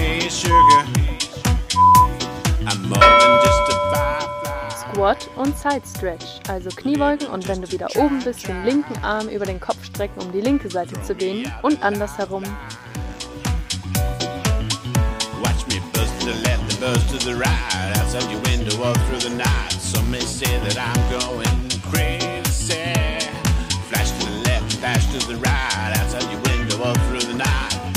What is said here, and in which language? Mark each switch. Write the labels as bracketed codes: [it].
[en] Sugar, I'm more than just a firefly. [de] Side-Stretch, also Kniebeugen und wenn du wieder oben bist, den linken Arm über den Kopf strecken, um die linke Seite zu dehnen und andersherum. [en] Watch me bust to the left and bust to the right. Outside your window all through the night. Some may say that I'm going crazy. Flash to the left, flash to the right. Outside your window all through the night.